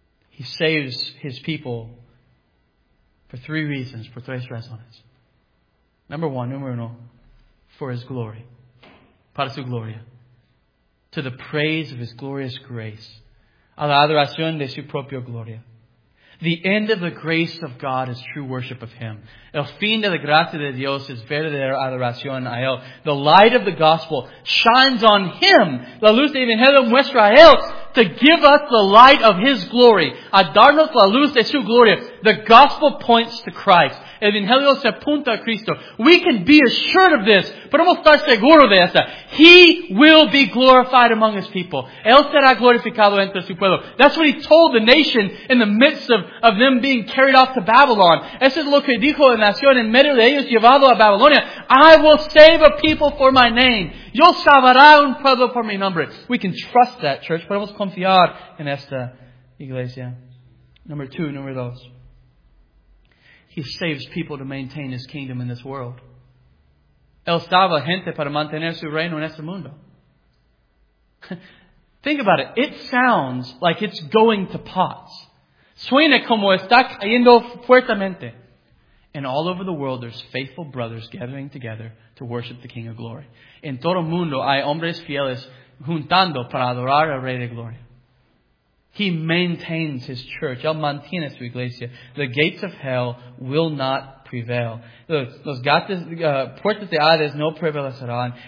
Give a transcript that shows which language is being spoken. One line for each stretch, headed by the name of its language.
English: He saves his people for three reasons,
Spanish: por tres razones.
English: Number one,
Spanish: número uno,
English: for his glory.
Spanish: Para su gloria.
English: To the praise of his glorious grace.
Spanish: A la adoración de su propia gloria.
English: The end of the grace of God is true worship of him.
Spanish: El fin de la gracia de Dios es verdadera adoración a él.
English: The light of the gospel shines on him.
Spanish: La luz del Evangelio muestra a él.
English: To give us the light of his glory.
Spanish: A darnos la luz de su gloria.
English: The gospel points to Christ.
Spanish: El Evangelio se apunta a Cristo.
English: We can be assured of this.
Spanish: Podemos estar seguros de esta.
English: He will be glorified among his people.
Spanish: Él será glorificado entre su pueblo.
English: That's what he told the nation in the midst of them being carried off to Babylon.
Spanish: Eso es lo que dijo la nación en medio de ellos llevado a Babilonia.
English: I will save a people for my name.
Spanish: Yo salvará un pueblo por mi nombre.
English: We can trust that, church.
Spanish: Podemos confiar en esta iglesia.
English: Number two,
Spanish: number dos.
English: He saves people to maintain his kingdom in this world.
Spanish: Él salva gente para mantener su reino en este mundo.
English: Think about it. It sounds like it's going to pots.
Spanish: Suena como está cayendo fuertemente.
English: And all over the world, there's faithful brothers gathering together to worship the King of Glory.
Spanish: En todo mundo hay hombres fieles juntando para adorar al Rey de Gloria.
English: He maintains his church.
Spanish: Él mantiene su iglesia.
English: The gates of hell will not prevail.
Spanish: Puertas de Hades no prevalecerán.